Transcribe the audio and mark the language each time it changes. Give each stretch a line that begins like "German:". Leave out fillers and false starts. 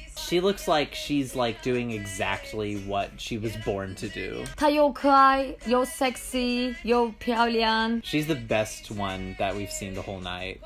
English: She looks like she's like doing exactly what she was born to do.
Chinese: 她又可爱又 sexy 又漂亮.
English: She's the best one that we've seen the whole night.